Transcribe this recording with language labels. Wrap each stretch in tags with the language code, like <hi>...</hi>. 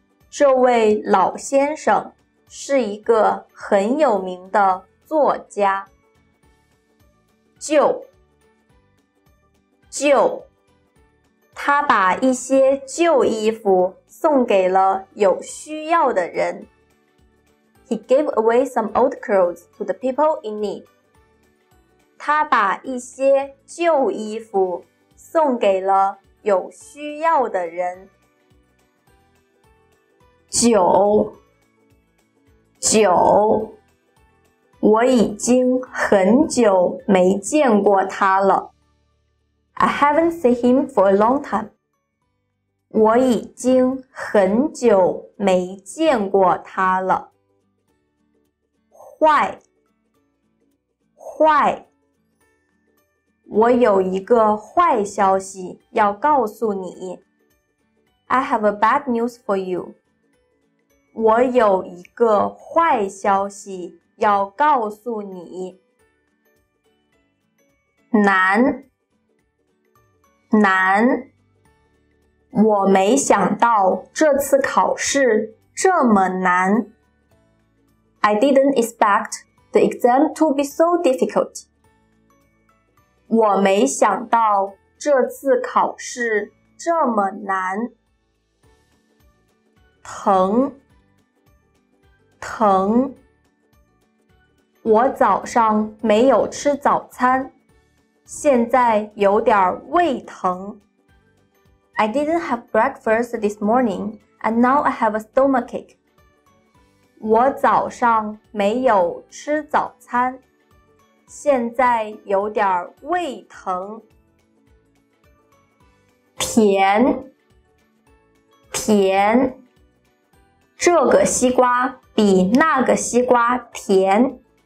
<zh>这位老先生是一个很有名的作家。旧，旧，他把一些旧衣服送给了有需要的人。</zh> <en>He gave away some old clothes to the people in need.</en> <zh>他把一些旧衣服送给了有需要的人。酒，酒。我已经很久没见过他了。</zh> <en>I haven't seen him for a long time.</en> <zh>我已经很久没见过他了。坏，坏。我有一个坏消息要告诉你。</zh> <en>I have a bad news for you.</en> <zh>我有一个坏消息要告诉你。难，难。我没想到这次考试这么难。</zh> <en>I didn't expect the exam to be so difficult.</en> <zh>我没想到这次考试这么难。疼，疼。我早上没有吃早餐，现在有点胃疼。</zh> <en>I didn't have breakfast this morning, and now I have a stomachache.</en> <zh>我早上没有吃早餐，现在有点胃疼。甜，甜。这个西瓜比那个西瓜甜。</zh>